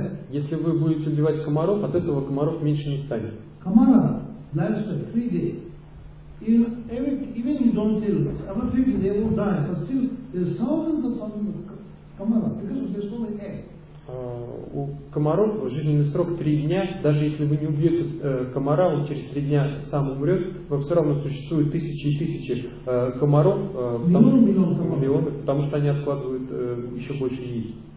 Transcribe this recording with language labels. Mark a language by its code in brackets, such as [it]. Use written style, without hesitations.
[ru] Если вы будете убивать комаров, от этого комаров меньше не станет. [en] Комара lives for 3 days. Even you don't kill every 3 days, they will die. But still, there's thousands of комаров, because there's only air. [ru] У комаров жизненный срок 3 дня. Даже если вы не убьете комара, он через 3 дня сам умрет. Но все равно существует тысячи и тысячи комаров, миллионы, потому что они откладывают еще больше яиц.